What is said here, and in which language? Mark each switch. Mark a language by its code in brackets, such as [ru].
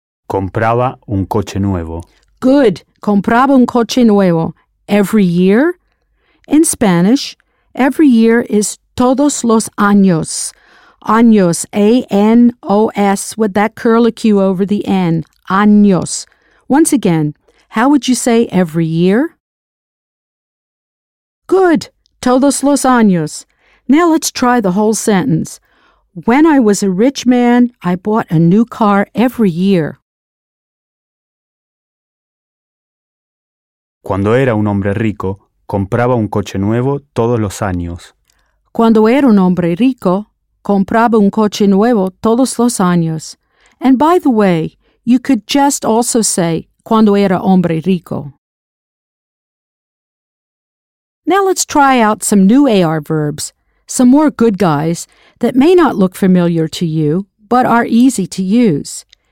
[es] Compraba un coche nuevo. [en] Good. [es] Compraba un coche nuevo. [en] Every year? In Spanish, every year is todos los años. Años, A-N-O-S, with that curlicue over the N. Años. Once again, how would you say every year? Good. [es] Todos los años. [en] Now let's try the whole sentence. When I was a rich man, I bought a new car every year. [es] Cuando era un hombre rico, compraba un coche nuevo todos los años. Cuando era un hombre rico, compraba un coche nuevo todos los años. [en] And by the way, you could just also say, [es] cuando era hombre rico. [en] Now let's try out some new AR verbs, some more good guys that may not look familiar to you, but are easy to use.